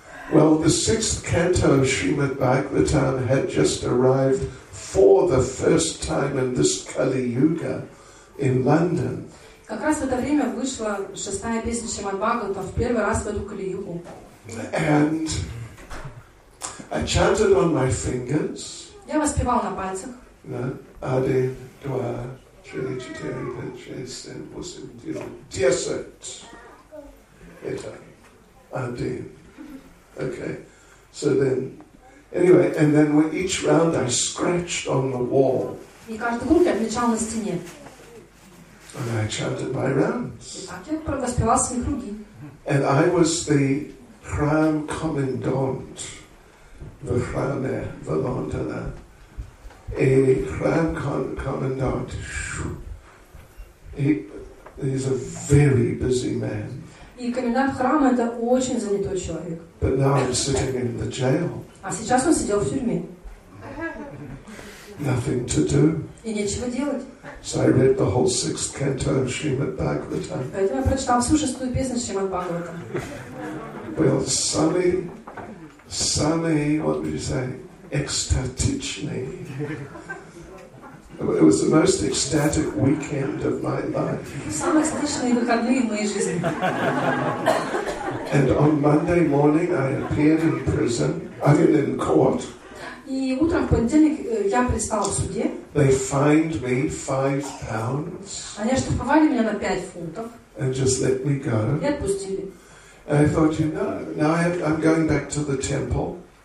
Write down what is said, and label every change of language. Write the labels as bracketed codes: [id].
[en] Well, the sixth canto of Srimad Bhagavatam had just arrived for the first time in this Kali Yuga in London. [ru] Как раз в это время вышла шестая песня Шримад Бхагаватам в первый раз в эту Кали Югу. [en] And I chanted on my fingers. [ru] Я воспевал на пальцах. Ade. 2, 3, 4, 5, 6, 7, 8, 9, 10. Это. Один. Okay. [en] So then, anyway, and then with each round I scratched on the wall. [ru] И каждый круг я отмечал на стене. [en] And I chanted my rounds. [ru] И так я провоспевал свои круги. [en] And I was the [ru] храм [en] commandant [ru] в храме в Лондоне. [en] A crown commandant. He's a very busy man. [ru] И комендант храма это очень занятой человек. [en] But now I'm sitting in the jail. [ru] А сейчас он сидел в тюрьме. [en] Nothing to do. [ru] И нечего делать. [en] So I read the whole sixth canto of Srimad Bhagavatam. [ru] Поэтому я прочитал всю шестую песню Шримад Бхагаватам. [en] Well, sunny, what would you say? Ecstatic. It was the most ecstatic weekend of my life. [ru] Самые эстетичные выходные в моей жизни. [en] And on Monday morning, I appeared in prison. I mean, in court. [ru] И утром в понедельник я предстал в суде. [en] They fined me £5. [ru] Они оштрафовали меня на 5 фунтов. [en] And just let me go. [ru] И отпустили. [en] And I thought, you know, now I'm going back to the temple.